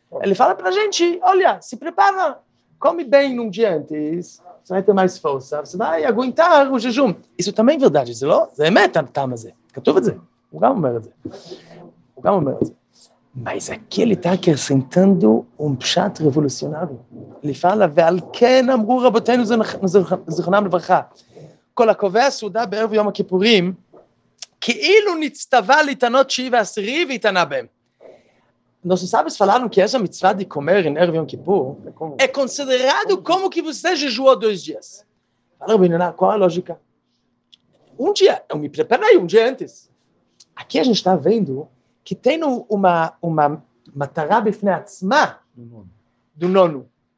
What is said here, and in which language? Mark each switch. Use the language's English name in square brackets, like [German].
[Portuguese] Ele fala para a gente, olha, se prepara, come bem num dia antes, você vai ter mais força, você vai aguentar o jejum. Isso também é verdade, não? Isso é verdade, tá, mas é. Catuva dizer. O Gama Mera dizer. O Gama Mera dizer. Mas aqui ele está acrescentando pshat revolucionário. Ele fala, [Hebrew] ועל כן אמרו רבותינו זכרונם לברכה, כל הקובע סעודה בערב יום הכיפורים, כאילו נצטווה להתענות תשיעי ועשירי והתענה בהם. [Portuguese] Nós sabemos falaram que essa mitzvah de comer em ערב יום כיפור é considerado como que você jejuou 2 dias. Fala, Rabino, qual a lógica? Dia, eu me preparei dia antes. Aqui a gente está vendo... que tem uma matará bifnei atzma, do nono.